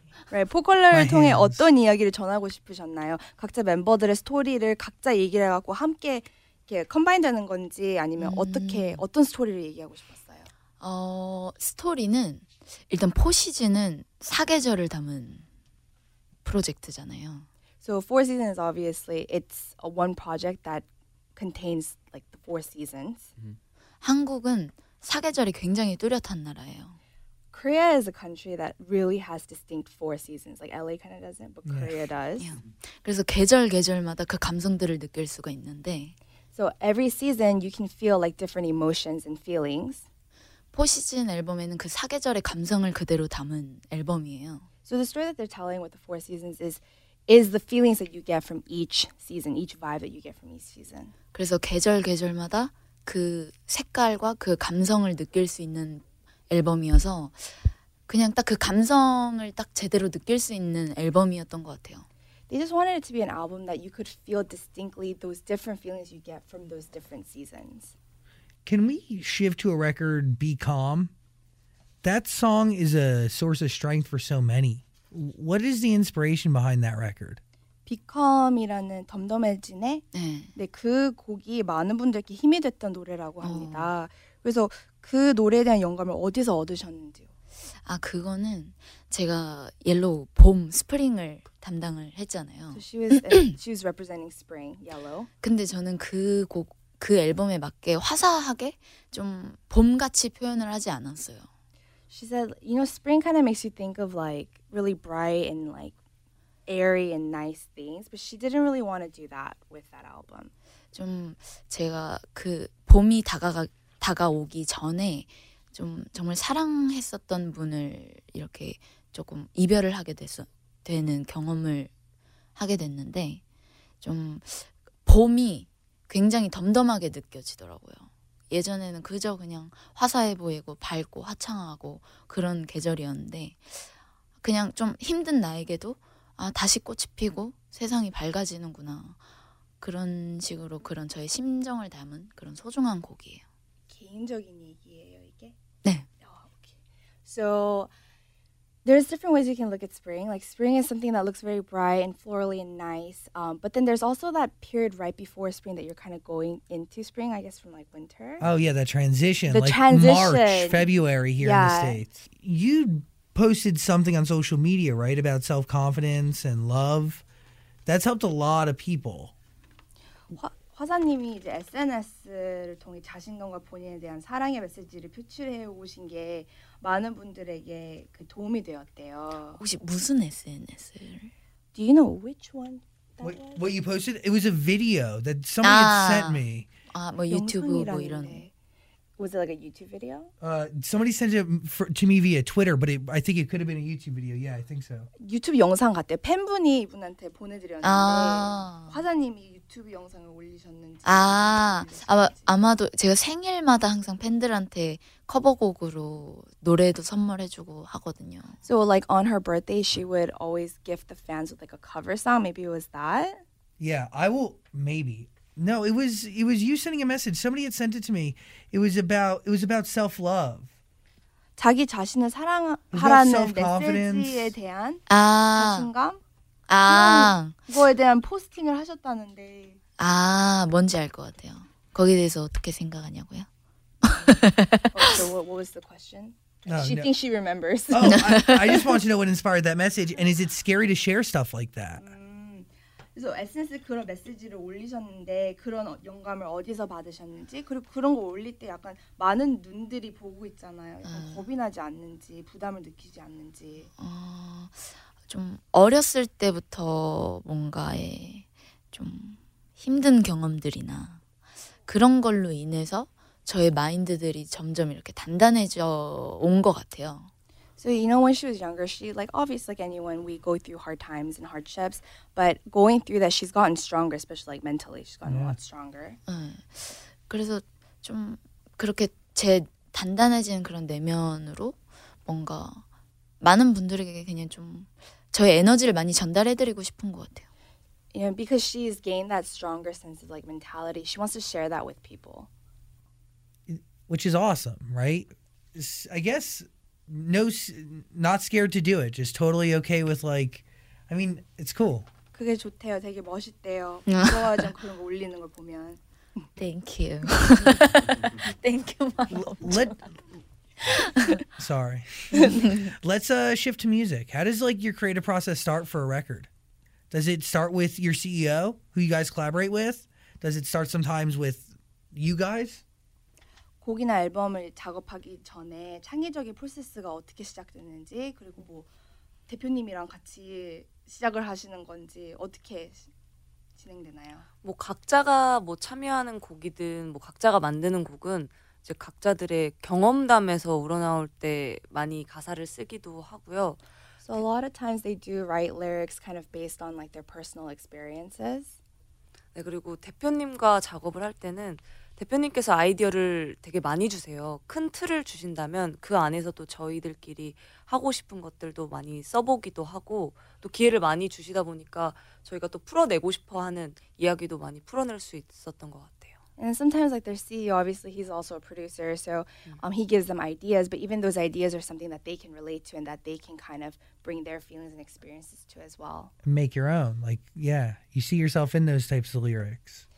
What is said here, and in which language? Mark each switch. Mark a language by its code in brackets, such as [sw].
[ko] Right, 포컬러를 통해 어떤 이야기를 전하고 싶으셨나요? 각자 멤버들의 스토리를 각자 얘기를 해갖고 함께 이렇게 컴바인 되는 건지 아니면 어떻게 어떤 스토리를 얘기하고 싶었어요? 스토리는 일단 포 시즌은 사계절을 담은 프로젝트잖아요. [en] So Four Seasons, obviously, it's a one project that contains like the four seasons. Mm-hmm. [ko] 한국은 사계절이 굉장히 뚜렷한 나라예요. [en] Korea is a country that really has distinct four seasons. Like LA kind of doesn't, but Korea yeah. does. Yeah. [ko] 그래서 계절 계절마다 그 감성들을 느낄 수가 있는데. [en] So every season, you can feel like different emotions and feelings. [ko] 포 시즌 앨범에는 그 사계절의 감성을 그대로 담은 앨범이에요. [en] So the story that they're telling with the four seasons is the feelings that you get from each season, each vibe that you get from each season. [ko] 그래서 계절 계절마다 그 색깔과 그 감성을 느낄 수 있는 앨범이어서 그냥 딱 그 감성을 딱 제대로 느낄 수 있는 앨범이었던 것 같아요. [en] They just wanted it to be an album that you could feel distinctly those different feelings you get from those different seasons. Can we shift to a record, Be Calm? That song is a source of strength for so many. What is the inspiration behind that record? [ko] Be Calm이라는 덤덤해진의 네, 그 곡이 많은 분들께 힘이 됐던 노래라고 합니다. 그래서 그 노래에 대한 영감을 어디서 얻으셨는지요? 아 그거는 제가 옐로우 봄 스프링을 담당을 했잖아요. [en] So she was representing spring yellow. [ko] 근데 저는 그 곡 그 앨범에 맞게 화사하게 좀 봄같이 표현을 하지 않았어요. [en] She said, you know, spring kind of makes you think of like really bright and like airy and nice things, but she didn't really want to do that with that album. [ko] 좀 제가 그 봄이 다가오기 전에 좀 정말 사랑했었던 분을 이렇게 조금 이별을 하게 됐어 되는 경험을 하게 됐는데 좀 봄이 굉장히 덤덤하게 느껴지더라고요. 예전에는 그저 그냥 화사해 보이고 밝고 화창하고 그런 계절이었는데 그냥 좀 힘든 나에게도 아 다시 꽃이 피고 세상이 밝아지는구나 그런 식으로 그런 저의 심정을 담은 그런 소중한 곡이에요. 개인적인 얘기예요 이게? 네. [en] Oh, okay. So there's different ways you can look at spring. Like spring is something that looks very bright and florally and nice. But then there's also that period right before spring that you're kind of going into spring, I guess, from like winter. Oh yeah, that transition. March, February here in the States. You posted something on social media, right, about self-confidence and love. That's helped a lot of people. [ko] 화사님이 이제 SNS를 통해 자신감과 본인에 대한 사랑의 메시지를 표출해 오신 게 많은 분들에게 그 도움이 되었대요. 혹시 무슨 SNS를? [en] Do you know which one? What you posted? It was a video that somebody had sent me. [ko] 아, 뭐 유튜브 뭐 이런. [en] Was it like a YouTube video? Somebody sent it to me via Twitter, but I think it could have been a YouTube video. Yeah, I think so. [ko] 유튜브 영상 같대요. 팬분이 이분한테 보내드렸는데 화사님이 유튜브 영상을 올리셨는지. 아, 아마도 제가 생일마다 항상 팬들한테 커버곡으로 노래도 선물해주고 하거든요. [en] So like on her birthday, she would always gift the fans with like a cover song. Maybe it was that. Yeah, I will. Maybe. No, it was you sending a message. Somebody had sent it to me. It was about self love. [ko] 자기 자신을 사랑하라는 메시지에 대한 자신감. 아, 그거에 대한 포스팅을 하셨다는데. 아, 뭔지 알 것 같아요. 거기에 대해서 어떻게 생각하냐고요? [en] So what was the question? She thinks she remembers. Oh, I just want to know what inspired that message, and is it scary to share stuff like that? [ko] 그래서 SNS에 그런 메시지를 올리셨는데 그런 영감을 어디서 받으셨는지 그리고 그런 거 올릴 때 약간 많은 눈들이 보고 있잖아요. 겁이 나지 않는지 부담을 느끼지 않는지. 좀 어렸을 때부터 뭔가의 좀 힘든 경험들이나 그런 걸로 인해서 저의 마인드들이 점점 이렇게 단단해져 온 것 같아요. [en] So you know, when she was younger, she like obviously like anyone, we go through hard times and hardships. But going through that, she's gotten stronger, especially like mentally. She's gotten a lot stronger. [ko] 그래서 좀 그렇게 제 단단해진 그런 내면으로 뭔가 많은 분들에게 그냥 좀 저의 에너지를 많이 전달해드리고 싶은 것 같아요. [en] You know, because she's gained that stronger sense of like mentality, she wants to share that with people. Which is awesome, right? I guess. No, not scared to do it. Just totally okay with like, I mean, it's cool. [ko] 그게 좋대요. 되게 멋있대요. 좋아하죠. 그런 거 올리는 걸 보면. [en] Thank you. Thank you, mom. Sorry. Let's shift to music. How does like your creative process start for a record? Does it start with your CEO, who you guys collaborate with? Does it start sometimes with you guys? [ko] 곡이나 앨범을 작업하기 전에 창의적인 프로세스가 어떻게 시작되는지 그리고 뭐 대표님이랑 같이 시작을 하시는 건지 어떻게 진행되나요? 뭐 각자가 뭐 참여하는 곡이든 뭐 각자가 만드는 곡은 이제 각자들의 경험담에서 우러나올 때 많이 가사를 쓰기도 하고요. [en] So a lot of times they do write lyrics kind of based on like their personal experiences. [ko] 네, 그리고 대표님과 작업을 할 때는 대표님께서 아이디어를 되게 많이 주세요. 큰 틀을 주신다면 그 안에서 또 저희들끼리 하고 싶은 것들도 많이 써보기도 하고 또 기회를 많이 주시다 보니까 저희가 또 풀어내고 싶어하는 이야기도 많이 풀어낼 수 있었던 것 같아요. [en] And sometimes like their CEO, obviously he's also a producer, so he gives them ideas, but even those ideas are something that they can relate to and that they can kind of bring their feelings and experiences to as well. Make your own. Like, yeah, you see yourself in those types of lyrics.